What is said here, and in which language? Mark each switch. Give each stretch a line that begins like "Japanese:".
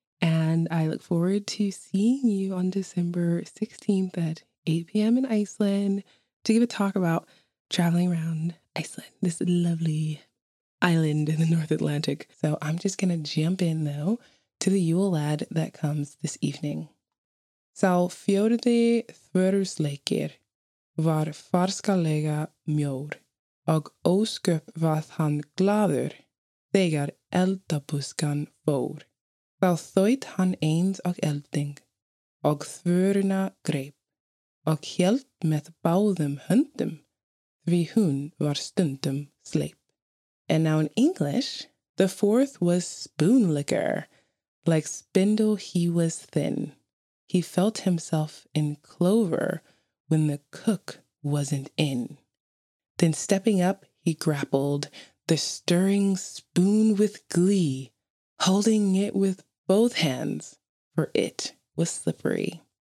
English: And I look forward to seeing you on December 16th at 8 p.m. in Iceland to give a talk about traveling around Iceland, this lovely island in the North Atlantic. So I'm just going to jump in, though, to the Yule Lad that comes this evening.
Icelandic: Sá fjórði þvörusleikir var farskalega mjór og ósköp varð hann glaður þegar eldabuskan fór. Þá þaut hann eins og elding og þvöruna greip og hjælt með báðum höndum því hún var stundum sleip.
English: And now in English, the fourth was spoon liquor. Like spindle he was thin. He felt himself in clover when the cook wasn't in. Then stepping up, he grappled the stirring spoon with glee, holding it with both hands, for it was slippery.